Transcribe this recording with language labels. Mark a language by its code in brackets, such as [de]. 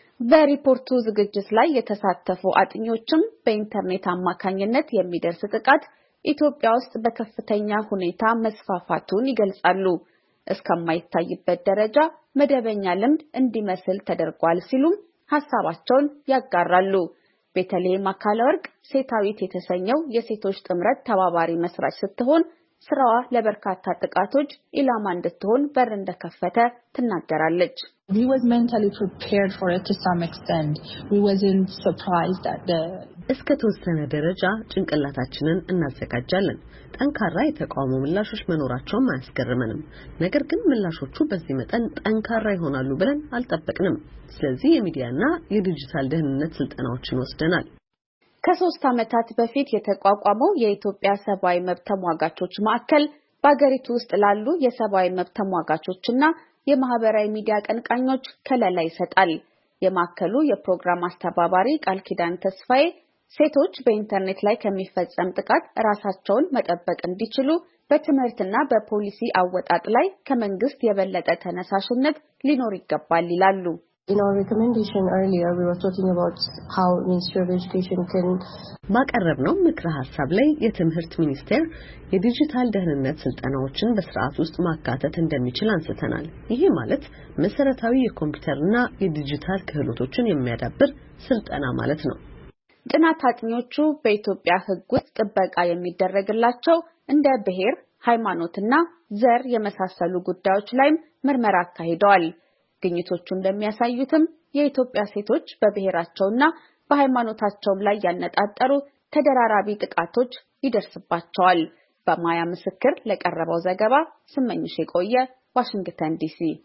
[am] በሪፖርቱ ዝግጅት ላይ የተሳተፉ አጥኚዎችም በኢንተርኔት አማካኝነት የሚደርስ ጥቃት ኢትዮጵያ ውስጥ በከፍተኛ ሁኔታ መስፋፋቱን ይገልጻሉ። እስከማይታይበት ደረጃ መደበኛ ልምድ እንዲመስል ተደርጓል ሲሉም ሐሳባቸውን ያጋራሉ። በተለይም አካለወርቅ ሴታዊት የተሰኘው የሴቶች ጥምረት ተባባሪ መስራች ስትሆን ስራዋ ለበርካታ ጥቃቶች ኢላማ እንድትሆን በር እንደከፈተ ትናገራለች። [en] We was mentally prepared for it to some extent. We wasn't surprised that the [am] እስከ ተወሰነ ደረጃ ጭንቀላታችንን እናዘጋጃለን። ጠንካራ የተቃውሞ ምላሾች መኖራቸው ማስገርመንም። ነገር ግን ምላሾቹ በዚህ መጠን ጠንካራ ይሆናሉ ብለን አልጠበቅንም። ስለዚህ የሚዲያና የዲጂታል ደህንነት ስልጠናዎችን ወስደናል። ከሶስት አመታት በፊት የተቋቋመው የኢትዮጵያ ሰብአዊ መብት ተሟጋቾች ማዕከል በአገሪቱ ውስጥ ላሉ የሰብአዊ መብት ተሟጋቾችና የማህበራዊ ሚዲያ ቀንቃኞች ከለላ ይሰጣል። የማከሉ የፕሮግራም አስተባባሪ ቃል ኪዳን ተስፋዬ ሴቶች በኢንተርኔት ላይ ከመፈጸም ጥቃት ራሳቸውን መጠበቅ እንዲችሉ በትምህርትና በፖሊሲ አወጣጥ ላይ ከመንግስት የበለጠ ተነሳሽነት ሊኖር ይገባል ይላሉ። [en] In our recommendation earlier we were talking about how Ministry of Education can [am] ማቀረብነው ምክረ ሐሳብ ላይ የትምህርት ሚኒስቴር የዲጂታል ደህንነት ስልጠናዎችን በስርዓት ውስጥ ማካተት እንደሚችል አንስተናል። ይሄ ማለት መሰረታዊ የኮምፒውተርና የዲጂታል ክህሎቶችን የሚያዳብር ስልጠና ማለት ነው። ጥናት አጥኚዎቹ በኢትዮጵያ ህግ ውስጥ ጥበቃ የሚደረግላቸው እንደ ብሔር፣ ሃይማኖትና ዘር የመሳሰሉ ጉዳዮች ላይ ምርመራ አካሂደዋል። ግኝቶቹ እንደሚያሳዩትም የኢትዮጵያ ሴቶች በብሔራቸውና በሃይማኖታቸው ላይ ያነጣጠሩ ተደራራቢ ጥቃቶች ይደርስባቸዋል። በማያ ምስክር ለቀረበው ዘገባ ስመኝሽ የቆየ ዋሽንግተን ዲሲ።